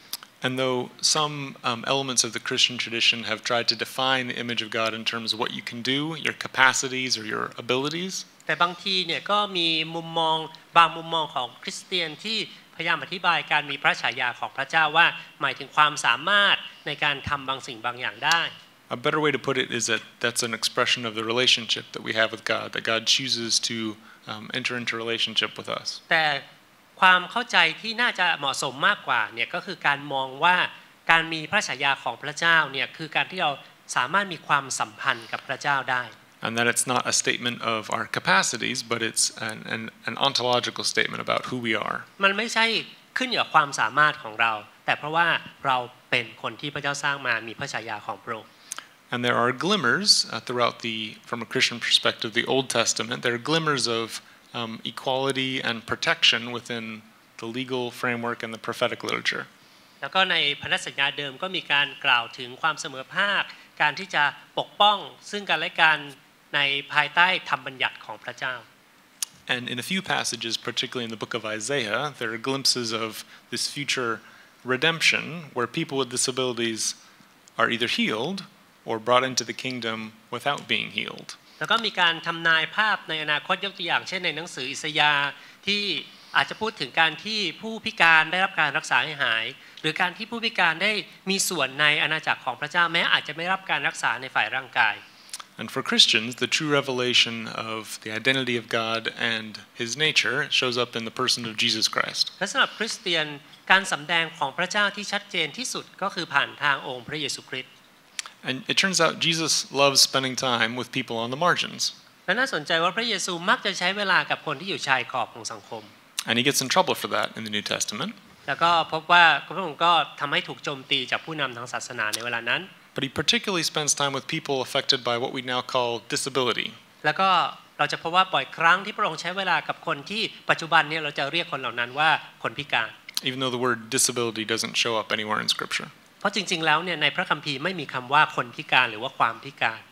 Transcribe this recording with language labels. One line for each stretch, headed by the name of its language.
English: ๆ And though some elements of the Christian tradition have tried to define the image of God in terms of what you can do, your capacities or your abilities.
Thai: แต่บางทีเนี่ยก็มีมุมมองบางมุมมองของคริสเตียนที่พยายามอธิบายการมีพระฉายาของพระเจ้าว่าหมายถึงความสามารถในการทำบางสิ่งบางอย่างได้
English: A better way to put it is that that's an expression of the relationship that we have with God that God chooses to enter into relationship with us
Thai: แต่ความเข้าใจที่น่าจะเหมาะสมมากกว่าเนี่ยก็คือการมองว่าการมีพระฉายาของพระเจ้าเนี่ยคือการที่เราสามารถมีความสัมพันธ์กับพระเจ้าได้
English: And that it's not a statement of our capacities, but it's an ontological statement about who we are.
Thai: มันไม่ใช่ขึ้นอยู่กับความสามารถของเราแต่เพราะว่าเราเป็นคนที่พระเจ้าสร้างมามีพระฉายาของพระองค์
English: And there are glimmers throughout the, from a Christian perspective, the Old Testament. There are glimmers of equality and protection within the legal framework and the prophetic literature.
Thai: แล้วก็ในพันธสัญญาเดิมก็มีการกล่าวถึงความเสมอภาคการที่จะปกป้องซึ่งกันและกันในภายใต้ธรรมบัญญัติของพระเจ้า
English: And in a few passages particularly in the book of Isaiah there are glimpses of this future redemption where people with disabilities are either healed or brought into the kingdom without being healed
Thai: แล้วก็มีการทํานายภาพในอนาคตยกตัวอย่างเช่นในหนังสืออิสยาห์ที่อาจจะพูดถึงการที่ผู้พิการได้รับการรักษาให้หายหรือการที่ผู้พิการได้มีส่วนในอาณาจักรของพระเจ้าแม้อาจจะไม่รับการรักษาในฝ่ายร่างกาย
English: And for Christians, the true revelation of the identity of God and his nature shows up in the person of Jesus Christ.
Thai: สําหรับคริสเตียนการสําแดงของพระเจ้าที่ชัดเจนที่สุดก็คือผ่านทางองค์พระเยซูคริสต์
English: And it turns out Jesus loves spending time with people on the margins.
Thai: และน่าสนใจว่าพระเยซูมักจะใช้เวลากับคนที่อยู่ชายขอบของสังคม
English: And he gets in trouble for that in the New Testament.
Thai: แล้วก็พบว่าพระองค์ก็ทําให้ถูกโจมตีจากผู้นําทางศาสนาในเวลานั้น
English: But he particularly spends time with people affected by what we now call disability.
Thai: แล้วก็เราจะพบว่าบ่อยครั้งที่พระองค์ใช้เวลากับคนที่ปัจจุบันเนี่ยเราจะเรียกคนเหล่านั้นว่าคนพิการ
English: Even though the word disability doesn't show up anywhere in scripture.
Thai: เพราะจริงๆแล้วเนี่ยในพระคัมภีร์ไม่มีคําว่าคนพิการหรือว่าความพิการ